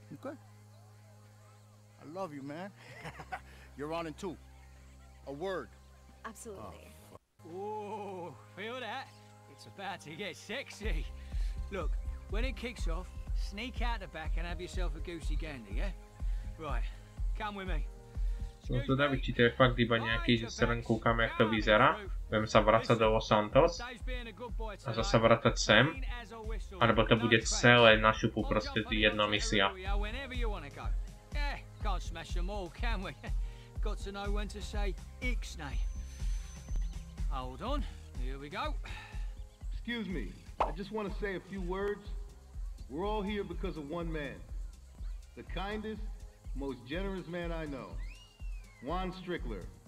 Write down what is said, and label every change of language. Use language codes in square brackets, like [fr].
[en] Okay. I love you, man. You're on in two. A word. Absolutely. Oh, feel that? It's about to get sexy. Look, when it kicks off, sneak out the back and have yourself a goosey gander, yeah? Right, come with me. [sk] No to dá byť, či to je fakt iba nejaký, že sa len kúkam, jak to vyzerá. Budem sa vracať do Los Santos a zase vracať sem. Alebo to bude celé na šupu, proste jedna misia. [en] Excuse me, I just want to say a few words. We're all here because of one man. The kindest, most generous man I know. Juan Strickler,